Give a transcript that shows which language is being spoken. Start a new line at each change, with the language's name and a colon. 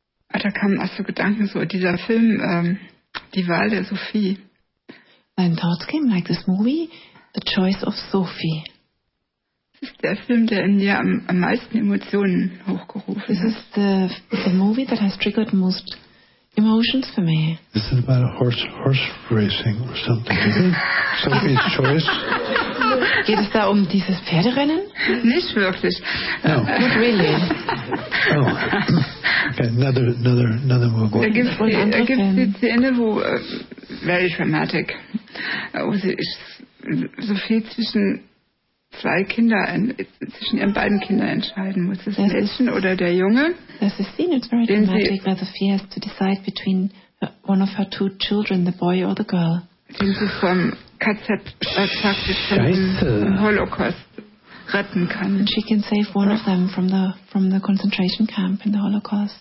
German: Da kamen auch so Gedanken, so dieser Film, Die Wahl der Sophie.
English: My thoughts came like this movie, The Choice of Sophie.
German: ist der Film, der in dir am meisten Emotionen hochgerufen
English: hat. This is the movie that has triggered most emotions for me. Is it about a horse racing or something? Sophie's choice?
German: Geht es da um dieses Pferderennen? Nicht wirklich.
English: No. Not really. Oh. Okay, another movie.
German: Da gibt es die Szene, wo
English: very dramatic,
German: wo Sophie zwischen zwei Kinder, zwischen ihren beiden Kindern entscheiden muss. Das Mädchen oder der Junge.
English: That's the scene, it's very dramatic, where Sophie has to decide between one of her two children, the boy or the girl.
German: Den sie vom KZ praktisch vom Holocaust retten kann.
English: And she can save one of them from the concentration camp in the Holocaust.